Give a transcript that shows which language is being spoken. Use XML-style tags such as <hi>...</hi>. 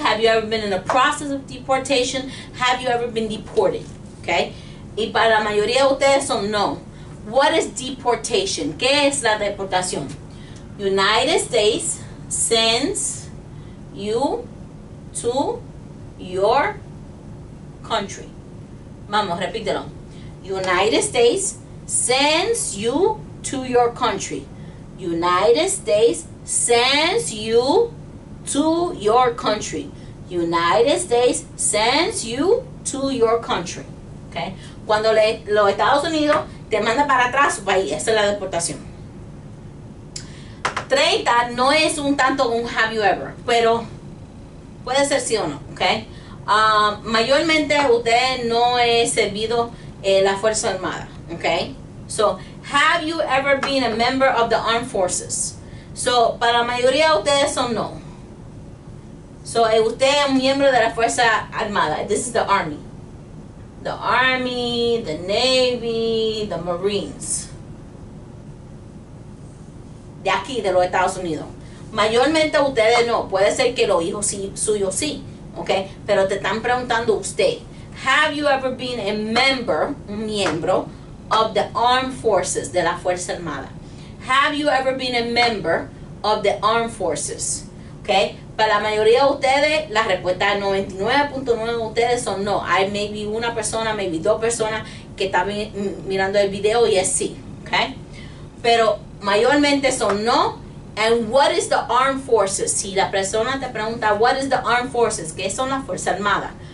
<en>Have you ever been in the process of deportation? Have you ever been deported? ¿Ok?</en> <es>Y para la mayoría de ustedes son no.</es> <en>What is deportation?</en> <es>¿Qué es la deportación?</es> <en>United States sends you to your country.</en> <es>Vamos, repítelo.</es> <en>United States sends you to your country. United States sends you to your country. United States sends you to your country. Okay.</en> <es>Cuando los Estados Unidos te manda para atrás su país, esa es la deportación. 30 no es un tanto un</es> <en>have you ever,</en> <es>pero puede ser sí o no, ¿ok? Mayormente usted no es servido la Fuerza Armada, ¿ok?</es> <en>So, have you ever been a member of the armed forces?</en> <es>So, para la mayoría de ustedes son no. So, usted es un miembro de la Fuerza Armada.</es> <en>This is the Army. The Army, the Navy, the Marines.</en> <es>De aquí, de los Estados Unidos. Mayormente ustedes no. Puede ser que los hijos sí, suyos sí. Okay, pero te están preguntando usted.</es> <en>Have you ever been a member,</en> <es>un miembro,</es> <en>of the armed forces,</en> <es>de la Fuerza Armada?</es> <en>Have you ever been a member of the armed forces?</en> <es>Okay, para la mayoría de ustedes, la respuesta del 99.9 de ustedes son no. Hay maybe una persona, maybe dos personas que están mirando el video y es sí.</es> <en>Okay,</en> <es>pero mayormente son no.</es> <en>And what is the armed forces?</en> <es>Si la persona te pregunta,</es> <en>what is the armed forces?</en> <es>¿Qué son las Fuerzas Armadas?</es>